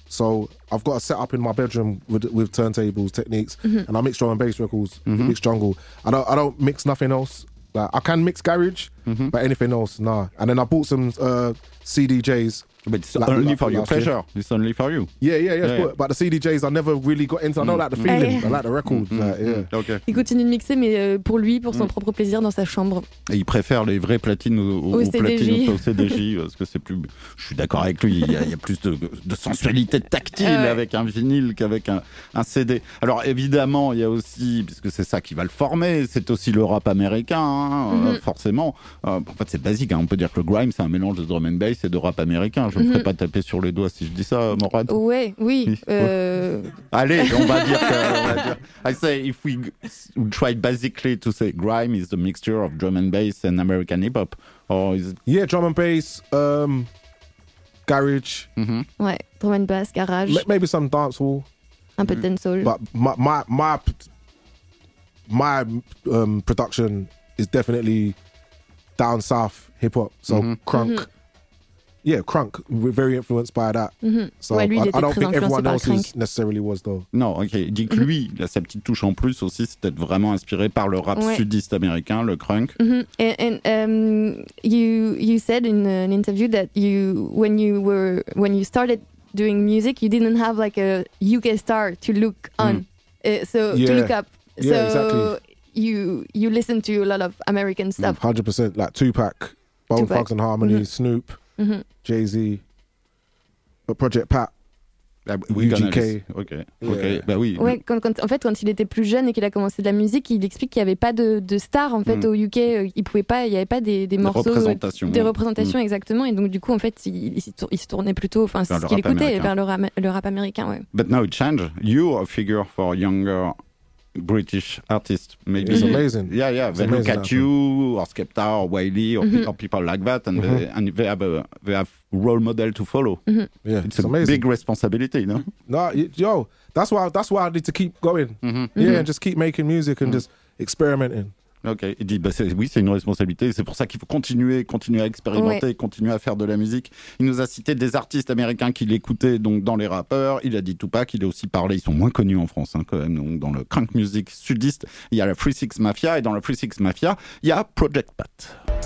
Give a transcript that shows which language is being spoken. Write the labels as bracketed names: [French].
[English] So I've got a setup in my bedroom with turntables, techniques, and I mix drum and bass records, mix Jungle. I don't mix nothing else. Like, I can mix garage, but anything else, nah. And then I bought some CDJs. But it's only for your pleasure. It's only for you. Yeah. But the CDJs, I never really got into. I don't like the feeling. I like the record. Okay. [French] Il continue de mixer, mais pour lui, pour son propre plaisir, dans sa chambre. Et il préfère les vraies platines aux platines au CDJ parce que c'est plus. Je suis d'accord avec lui. Il y a plus de sensualité tactile avec un vinyle qu'avec un CD. Alors évidemment, il y a aussi parce que c'est ça qui va le former. C'est aussi le rap américain, forcément. En fait, c'est basique. On peut dire que le grime, c'est un mélange de drum and bass et de rap américain. Je ne ferai pas taper sur les doigts si je dis ça, Morad. Oui. Allez, on va dire que. [English] I say, if we try basically to say grime is the mixture of drum and bass and American hip hop, or is it... Yeah, drum and bass, garage. [French] Mm-hmm. Ouais, drum and bass, garage. [English] Maybe some dancehall. [French] Un peu de dancehall. [English] But my production is definitely down south hip hop, so crunk. Mm-hmm. Yeah, crunk. We're very influenced by that. Mm-hmm. So [French] ouais, [English] I don't think everyone else necessarily was, though. No, okay. [French] Dit que lui, il a sa petite touche en plus aussi, c'est d'être vraiment inspiré par le rap sudiste américain, le crunk. [English] And you said in an interview that when you started doing music, you didn't have like a UK star to look on, to look up. Yeah, so exactly. You listen to a lot of American stuff. 100%, like Tupac, Bone Thugs and Harmony, Snoop. Jay-Z, but Project Pat, UGK. [French] Bah oui. Ouais, quand, en fait, quand il était plus jeune et qu'il a commencé de la musique, il explique qu'il n'y avait pas de star en fait, au UK. Il pouvait pas, il n'y avait pas des morceaux. Des représentations. Des représentations, exactement. Et donc, du coup, en fait, il se tournait plutôt, enfin, ce qu'il écoutait, américain. Vers le rap américain. Ouais. [English] But now it changed. You're a figure for younger British artists. Maybe. It's amazing. Yeah, yeah. It's they look at you, or Skepta, or Wiley, or, or people like that, and, and they have a, they have role model to follow. Yeah, it's amazing. It's a big responsibility, you know? No, yo, that's why I need to keep going. Yeah, and just keep making music and just experimenting. Okay. [French] Il dit, bah, c'est, oui, c'est une responsabilité. C'est pour ça qu'il faut continuer à expérimenter, continuer à faire de la musique. Il nous a cité des artistes américains qu'il écoutait, donc dans les rappeurs. Il a dit Tupac, il a aussi parlé. Ils sont moins connus en France, hein, quand même. Donc, dans le crunk music sudiste, il y a la 36 Mafia. Et dans la 36 Mafia, il y a Project Pat.